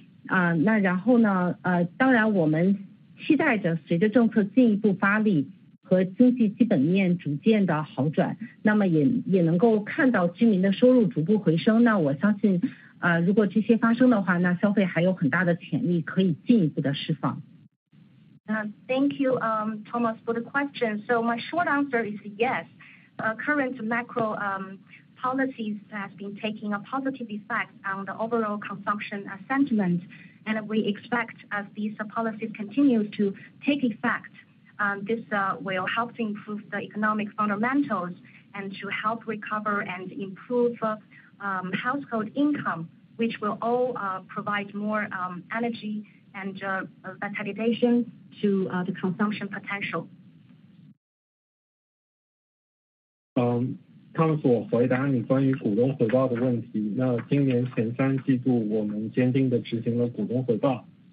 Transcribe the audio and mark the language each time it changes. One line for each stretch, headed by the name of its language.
Chinese: 那然后呢，当然我们期待着随着政策进一步发力， 和经济基本面逐渐的好转，那么也能够看到居民的收入逐步回升。那我相信，如果这些发生的话，那消费还有很大的潜力可以进一步的释放。
English: Thank you, Thomas, for the question. So my short answer is yes. Current macro policies has been taking a positive effect on the overall consumption sentiment, and we expect as these policies continue to take effect, this will help to improve the economic fundamentals and to help recover and improve household income, which will all provide more energy and vitalization to the consumption potential.
Chinese: Thomas, 我回答你关于股东回报的问题。那今年前三季度，我们坚定地执行了股东回报。